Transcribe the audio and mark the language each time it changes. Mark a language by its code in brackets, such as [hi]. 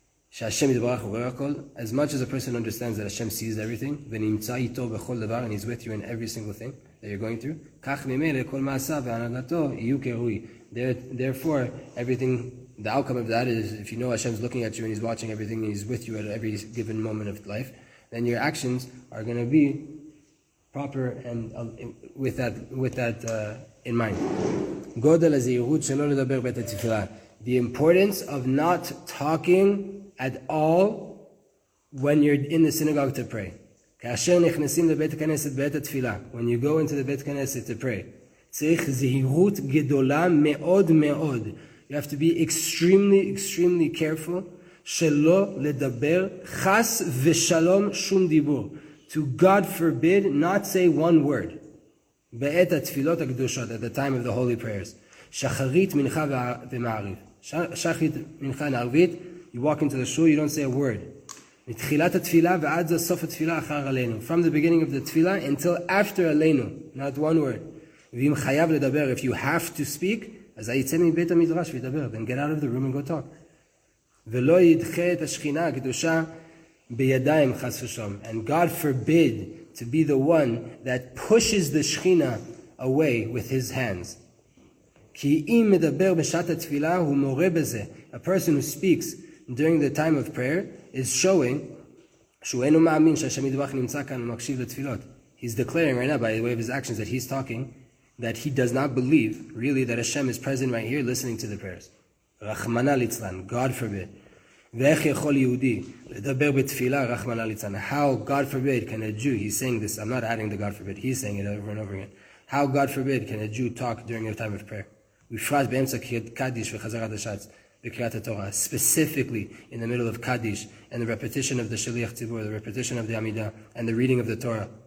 [he] שהשם יתברך רואה הכל, [en] as much as a person understands that Hashem sees everything, [he] ונמצא איתו בכל דבר, [en] and he's with you in every single thing that you're going through, [he] כך ממילא כל מעשה והנהלתו יהיו כראוי. [en] Therefore, everything, the outcome of that is, if you know Hashem's looking at you and he's watching everything and he's with you at every given moment of life, then your actions are going to be proper and with that in mind. [he] גודל הזהירות שלא לדבר בעת התפילה. [en] The importance of not talking at all when you're in the synagogue to pray. [he] כאשר נכנסים לבית הכנסת בעת התפילה, [en] when you go into the בית הכנסת to pray, [he] צריך זהירות גדולה מאוד מאוד. [en] You have to be extremely, extremely careful [he] שלא לדבר חס ושלום שום דיבור. [en] To God forbid not say one word [he] בעת התפילות הקדושות, [en] at the time of the holy prayers. [he] שחרית מנחה ומעריב. שחרית מנחה ומעריבית, [en] you walk into the shul, you don't say a word. [he] מתחילת התפילה ועד סוף התפילה אחר עלינו. [en] From the beginning of the תפילה until after עלינו, not one word. [he] ואם חייב לדבר, [en] if you have to speak, [he] אז יצא מבית המדרש וידבר, [en] then get out of the room and go talk. [he] ולא ידחה את השכינה הקדושה בידיים חס ושום. [en] And God forbid to be the one that pushes the שכינה away with his hands. [he] כי אם מדבר בשעת התפילה, הוא מורה בזה. [en] A person who speaks during the time of prayer is showing [he] שהוא אינו מאמין שהשם ידבח נמצא כאן ומקשיב לתפילות. [en] He's declaring right now by the way of his actions that he's talking that he does not believe really that Hashem is present right here listening to the prayers. [he] רחמנא ליצלן, [en] God forbid. [he] ואיך יכול יהודי לדבר בתפילה רחמנא ליצלן? [en] How God forbid can a Jew, he's saying this, I'm not adding the God forbid, he's saying it over and over again. How God forbid can a Jew talk during a time of prayer? [he] ופרט באמצע קדיש וחזרת השעץ בקריאת התורה, [en] specifically in the middle of קדיש and the repetition of the שליח ציבור, the repetition of the עמידה and the reading of the Torah.